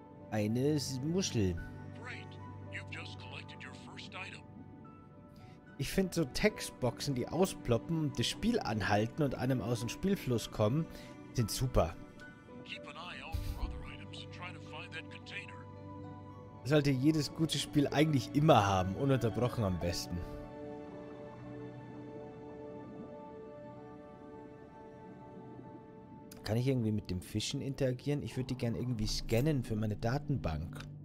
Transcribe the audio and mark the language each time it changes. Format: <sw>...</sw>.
<de>Eine Muschel.</de> <en>Great. You've just collected your first item.</en> <de>Ich finde so Textboxen, die ausploppen, das Spiel anhalten und einem aus dem Spielfluss kommen, sind super.</de> <en>Keep an eye out for other items and try to find that container.</en> <de>Sollte jedes gute Spiel eigentlich immer haben, ununterbrochen am besten. Kann ich irgendwie mit dem Fischen interagieren? Ich würde die gerne irgendwie scannen für meine Datenbank.</de>